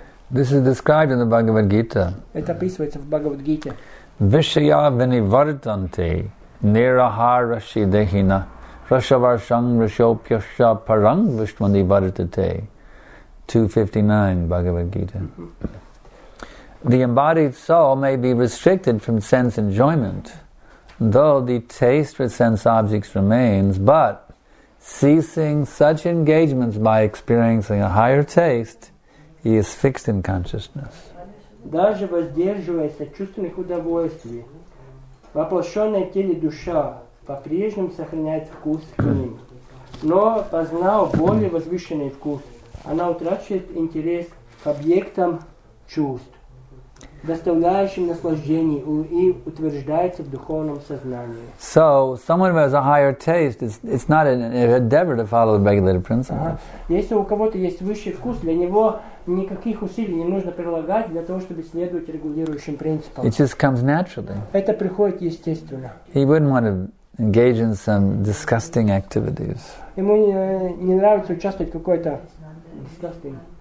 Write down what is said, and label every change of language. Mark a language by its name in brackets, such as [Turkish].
[English] This is described in the Bhagavad Gita. [Russian] Это описывается в Бхагавад Гите. [Sanskrit] Вишая винивартанте нирахараши дехина рашаваршан рашопьяша паран виштвани вартате. [English] 259 Bhagavad Gita. The embodied soul may be restricted from sense enjoyment, though the taste for sense objects remains, but ceasing such engagements by experiencing a higher taste, he is fixed in consciousness. [Russian] Даже воздерживаясь от чувственных удовольствий, воплощенное теле душа по-прежнему сохраняет вкус к ним. Но, познав более возвышенный вкус, она утрачивает интерес к объектам чувств, доставляющим наслаждение и утверждается в духовном сознании. [English] So, someone who has a higher taste, it's not an endeavor to follow the regulated principle. [Russian] Если у кого-то есть высший вкус, для него никаких усилий не нужно прилагать для того, чтобы следовать регулирующим принципам. [English] It just comes naturally. [Russian] Это приходит естественно. [English] He wouldn't want to engage in some disgusting activities. [Russian] Ему не нравится участвовать в какой-то [English] disgusting.